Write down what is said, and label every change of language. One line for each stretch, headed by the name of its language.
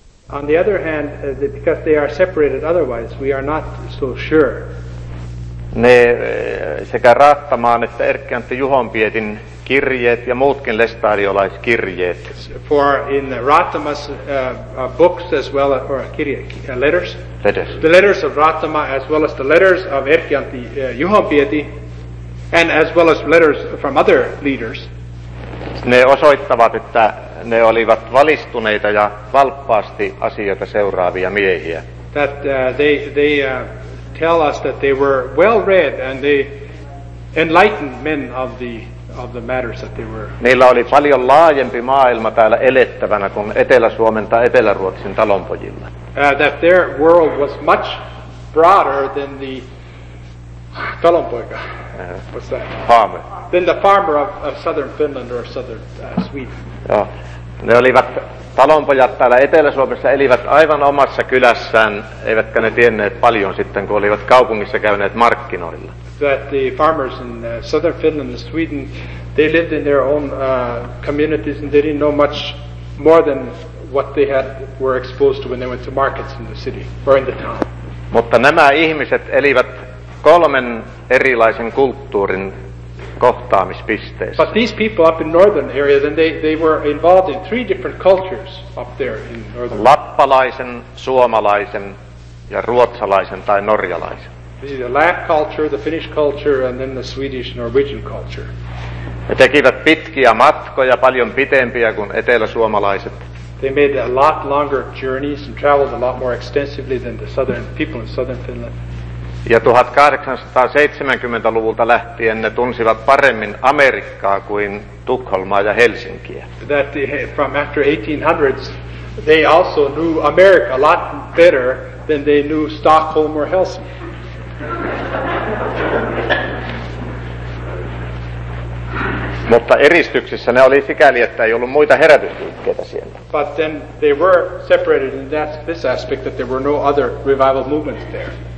English: On the other hand, because they are separated otherwise, we are not so sure.
Finnish: Ne sekä Rahtamaan että Erkki-Antti Juhonpietin kirjeet ja muutkin lestadiolaiskirjeet.
English: For in Rahtama's books as well as letters. Letters. The letters of Rahtama as well as the letters of Erkki-Antti Juhonpieti and as well as letters from other leaders.
Finnish: Ne osoittavat, että ne olivat valistuneita ja valppaasti asioita seuraavia miehiä.
English: That they tell us that they were well read and they enlightened men of the matters that they were.
Finnish: Niillä oli paljon laajempi maailma täällä elettävänä kuin Etelä-Suomen tai Etelä-Ruotsin talonpojilla.
English: That their world was much broader than the talonpoika. What's that? Farmer. Than the farmer of southern Finland or southern Sweden.
Finnish: Joo. Ne olivat talonpojat täällä Etelä-Suomessa elivät aivan omassa kylässään, eivätkä ne tienneet paljon sitten, kun olivat kaupungissa käyneet markkinoilla.
English: That the farmers in southern Finland and Sweden, they lived in their own communities and they didn't know much more than what they had were exposed to when they went to markets in the city or in the town.
Finnish: Mutta nämä ihmiset elivät kolmen erilaisen kulttuurin kohtaamispisteessä.
English: But these people up in northern area, then they were involved in three different cultures up there in northern.
Finnish: Lappalaisen, suomalaisen ja ruotsalaisen tai norjalaisen.
English: This is the Lapp culture, the Finnish culture, and then the Swedish Norwegian culture.
Finnish: He tekivät pitkiä matkoja, paljon pitempiä kuin eteläsuomalaiset.
English: They made a lot longer journeys and traveled a lot more extensively than the southern people in southern Finland.
Finnish: Ja 1870-luvulta lähtien ne tunsivat paremmin Amerikkaa kuin Tukholmaa ja Helsinkiä.
English: That from after 1800s, they also knew America a lot better than they knew Stockholm or Helsinki.
Finnish: Mutta eristyksissä ne oli sikäli, että ei ollut muita herätysliikkeitä siellä.
English: But then they were separated in that this aspect that there were no other revival movements there.